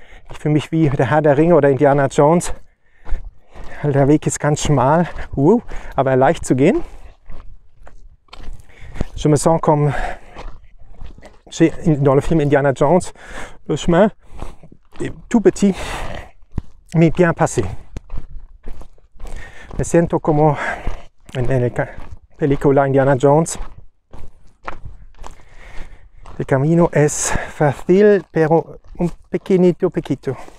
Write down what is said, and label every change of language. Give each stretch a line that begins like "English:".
German: Ich fühle mich wie der Herr der Ringe oder Indiana Jones. Der Weg ist ganz schmal, aber leicht zu gehen.
French: Je me sens comme dans le film Indiana Jones, le chemin est tout petit, mais bien passé.
Spanish: Me siento como en la película Indiana Jones. El camino es fácil, pero un pequeñito, pequeñito.